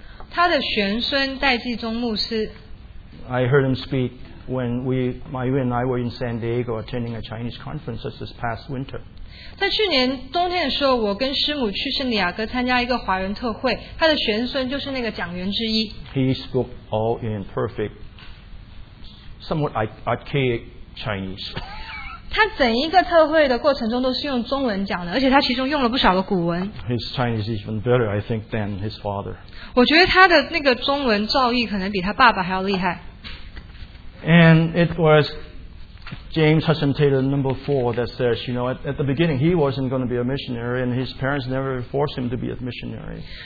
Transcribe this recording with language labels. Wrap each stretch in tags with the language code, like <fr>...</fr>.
<zh>他的玄孙戴继宗牧师。I</zh> <en>heard him speak when Irene and I were in San Diego attending a Chinese conference this past winter.</en> <zh>在去年冬天的时候，我跟师母去圣地亚哥参加一个华人特会，他的玄孙就是那个讲员之一。He</zh> <en>spoke all in perfect, somewhat archaic Chinese.</en> <zh>他整一个特会的过程中都是用中文讲的，而且他其中用了不少的古文。His</zh> <en>Chinese is even better, I think, than his father.</en> <zh>我觉得他的那个中文造诣可能比他爸爸还要厉害。And</zh> <en>it was James Hudson Taylor, number 4, that says, at the beginning, he wasn't going to be a missionary, and his parents never forced him to be a missionary.</en>